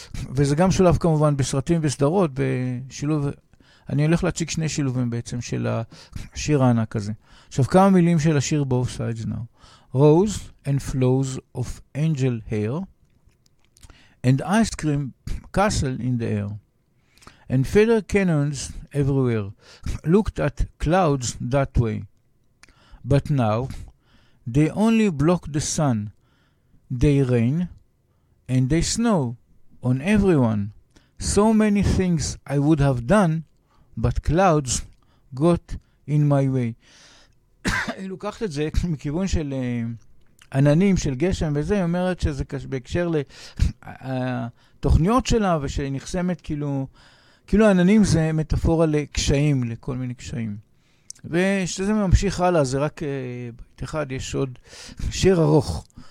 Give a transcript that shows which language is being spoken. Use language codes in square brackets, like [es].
[he] וזה גם שולב כמובן בסרטים וסדרות, בשילוב, אני הולך להציג שני שילובים בעצם של השיר הענק הזה. עכשיו, כמה מילים של השיר Both Sides Now. [en] Rose and flows of angel hair and ice cream castle in the air and feather cannons everywhere looked at clouds that way. But now they only block the sun, they rain and they snow on everyone. So many things I would have done, but clouds got in my way. [he] היא לוקחת את זה מכיוון של עננים של גשם וזה, היא אומרת שזה בהקשר לתוכניות שלה, ושהיא נחסמת כאילו עננים זה מטאפורה לקשיים, לכל מיני קשיים. ושזה ממשיך הלאה, זה רק בית אחד, יש עוד שיר ארוך.